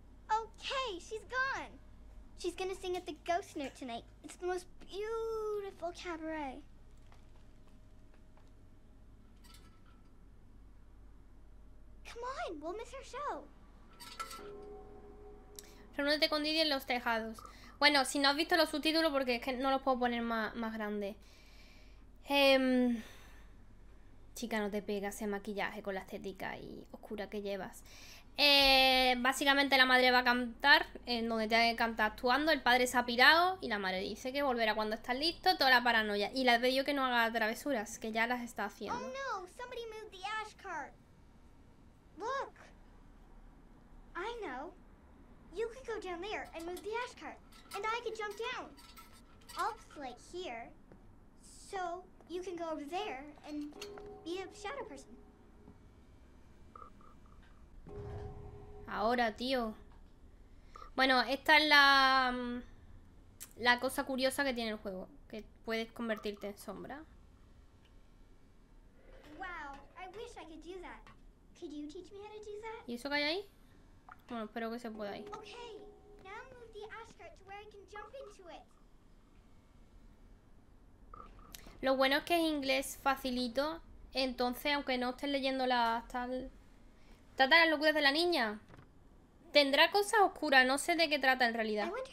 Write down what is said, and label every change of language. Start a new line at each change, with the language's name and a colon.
English: Okay, she's gone. She's gonna sing at the Ghost Note tonight. It's the most beautiful cabaret. Come on, we'll miss her show.
Spanish: Reúnete con Didi en los tejados. Bueno, si no has visto los subtítulos, porque es que no los puedo poner más grande. Chica, no te pegas ese maquillaje con la estética y oscura que llevas. Básicamente la madre va a cantar en donde tiene que cantar actuando. El padre se ha pirado y la madre dice que volverá cuando está listo. Toda la paranoia. Y le ha pedido que no haga travesuras, que ya las está haciendo.
English: Oh no, somebody moved the ash cart. Look. I know. You could go down there and move the ash cart. And I could jump down. I'll play here. So you can go over there and be a shadow person.
Spanish: Ahora, tío. Bueno, esta es la cosa curiosa que tiene el juego, que puedes convertirte en sombra.
English: Wow, I wish I could do that. Could you teach me how to do that?
Spanish: ¿Y eso que hay ahí? Bueno, espero que se pueda ahí.
English: Okay. Now move the ashcart to where I can jump into it.
Spanish: Lo bueno es que es inglés facilito, entonces aunque no estés leyendo la tal. ¿Trata las locuras de la niña? Tendrá cosas oscuras, no sé de qué trata en realidad.